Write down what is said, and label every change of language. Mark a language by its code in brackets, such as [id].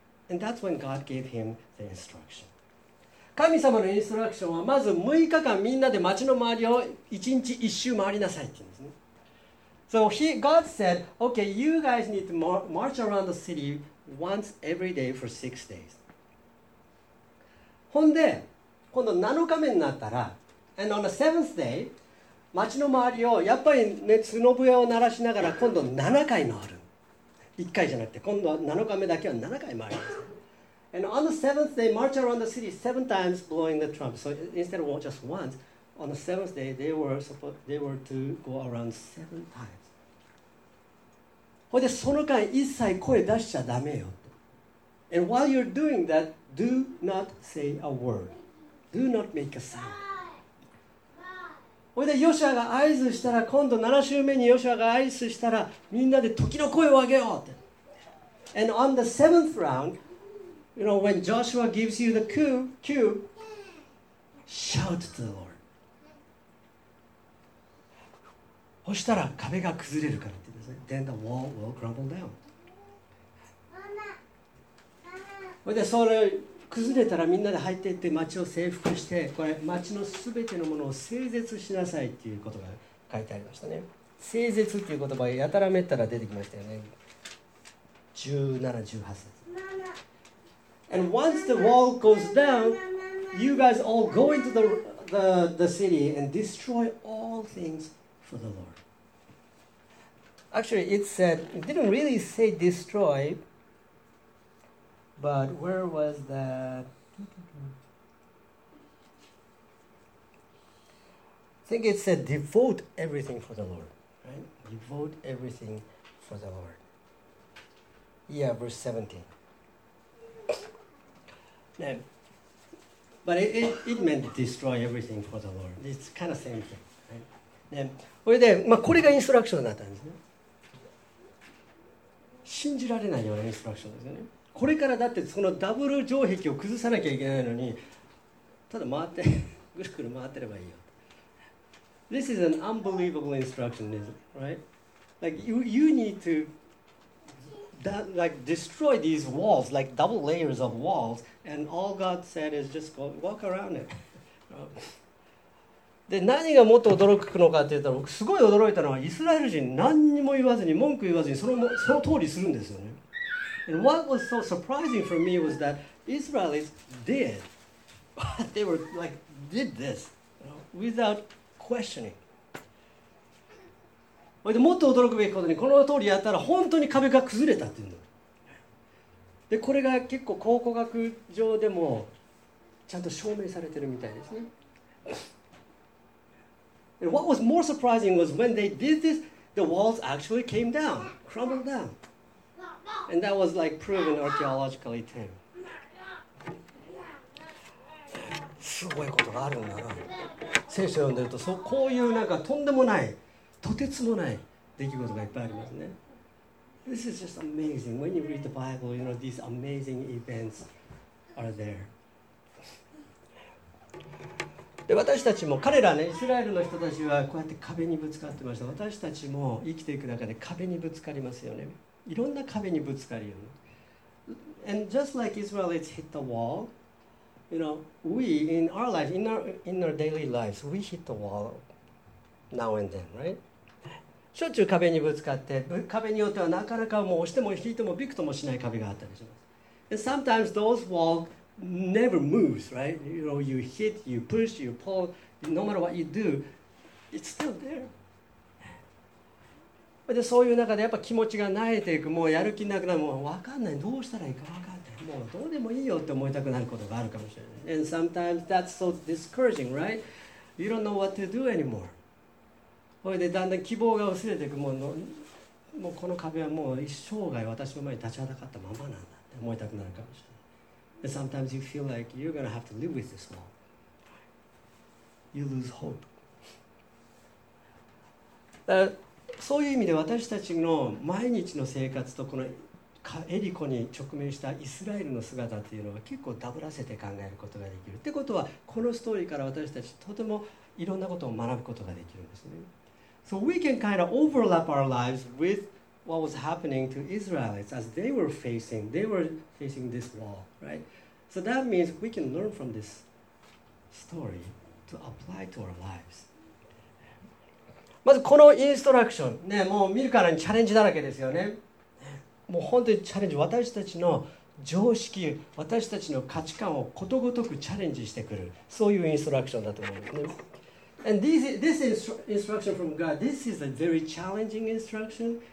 [en] And that's when God gave him the instruction. [ja] 神様のインストラクションは、まず6日間みんなで町の周りを1日1周回りなさいって言うんですね。 [en] So God said, okay, you guys need to march around the city once every day for 6 days. [ja] ほんで、今度7日目になったら、 [en] and on the seventh day, [ja] 町の周りをやっぱりね角笛を鳴らしながら今度7回回る。 1回じゃなくて今度は7日目だけは7回回ります。 [en] And on the seventh day, march around the city seven times blowing the trumpet. So instead of just once, on the seventh day, they were to go around seven times. [ja] ほいでその間一切声出しちゃダメよ。 [en] And while you're doing that, do not say a word. Do not make a sound. [ja] それでヨシュアが合図したら今度7週目にヨシュアが合図したらみんなで時の声を上げようって。 [en] And on the seventh round, you know, when Joshua gives you the cue, shout to the Lord. [ja] そしたら壁が崩れるからって言うんですね。 [en] Then the wall will crumble down. [ja] それでそれ崩れたらみんなで入っていって町を征服してこれ町のすべてのものを整絶しなさいっていうことが書いてありましたね。整絶っていう言葉やたらめったら出てきましたよね。 17-18節。 [en] And once the wall goes down, you guys all go into the city and destroy all things for the Lord. Actually, it said, it didn't really say destroy. But where was that? I think it said devote everything for the Lord, right? Devote everything for the Lord. Yeah, verse 17. Yeah. But it meant destroy everything for the Lord. It's kind of same thing, right? Yeah. [ja] まあ、これがインストラクションだったんですね。信じられないようなインストラクションですよね。これからだってそのダブル城壁を崩さなきゃいけないのにただ回ってぐるぐる回ってればいいよ。 [en] This is an unbelievable instruction, isn't it? Right? Like you need to that, like destroy these walls, like double layers of walls, and all God said is just go walk around it. [ja] で何がもっと驚くのかって言ったら僕すごい驚いたのはイスラエル人何にも言わずに文句言わずにその通りするんですよね。 [en] And what was so surprising for me was that Israelites did, they were like, did this, you know, without questioning. [ja] もっと驚くべきことに、この通りやったら本当に壁が崩れたっていうの。で、これが結構考古学上でもちゃんと証明されてるみたいですね。 [en] And what was more surprising was when they did this, the walls actually came down, crumbled down. And that was like proven archaeologically too. [ja] すごいことがあるんだな。聖書を読んでると、そうこういうなんかとんでもない、とてつもない出来事がいっぱいありますね。 [en] This is just amazing. When you read the Bible, you know these amazing events are there. [ja] で私たちも彼らね、イスラエルの人たちはこうやって壁にぶつかってました。私たちも生きていく中で壁にぶつかりますよね。いろんな壁にぶつかるよね。 [en] And just like Israelites hit the wall, you know, we in our life, in our daily lives, we hit the wall now and then, right? [ja] しょっちゅう壁にぶつかって、壁によってはなかなかもう押しても引いてもびくともしない壁があったりします。 [en] And sometimes those walls never moves, right? You know, you hit, you push, you pull, no matter what you do, it's still there. [ja] でそういう中でやっぱ気持ちが慣れていく、もうやる気なくなる、もう分かんない、どうしたらいいか分かんない、もうどうでもいいよって思いたくなることがあるかもしれない。 [en] And sometimes that's so discouraging, right? You don't know what to do anymore. [ja] それでだんだん希望が薄れていく、もうこの壁はもう一生涯私の前に立ちはだかったままなんだって思いたくなるかもしれない。 [en] And sometimes you feel like you're gonna have to live with this wall. You lose hope. [ja] そういう意味で私たちの毎日の生活とこのエリコに直面したイスラエルの姿っていうのは結構ダブらせて考えることができるってことは、このストーリーから私たちとてもいろんなことを学ぶことができるんですね。 [en] So we can kind of overlap our lives with what was happening to Israelites as they were facing this wall, right? So that means we can learn from this story to apply to our lives. [ja] まずこのインストラクション、ね、もう見るからにチャレンジだらけですよね。もう本当にチャレンジ、私たちの常識、私たちの価値観をことごとくチャレンジしてくる、そういうインストラクションだと思うんですね。 [en] And this instruction from God, this is a very challenging instruction.